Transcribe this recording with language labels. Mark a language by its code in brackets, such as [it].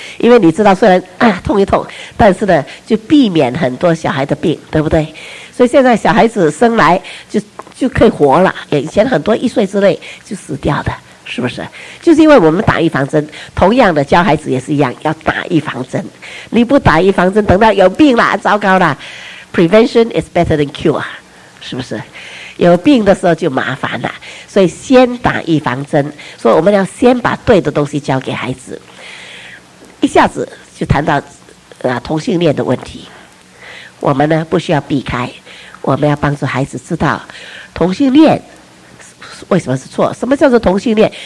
[zh] 因为你知道虽然啊痛一痛，但是呢就避免很多小孩的病，对不对？所以现在小孩子生来就可以活了，以前很多1岁之内就死掉的，是不是？就是因为我们打预防针，同样的教孩子也是一样，要打预防针。你不打预防针，等到有病了，糟糕了。 [en] Prevention is better than cure， [zh] 是不是？有病的时候就麻烦了，所以先打预防针。所以我们要先把对的东西交给孩子。一下子就谈到同性恋的问题，我们呢不需要避开，我们要帮助孩子知道同性恋为什么是错。什么叫做同性恋？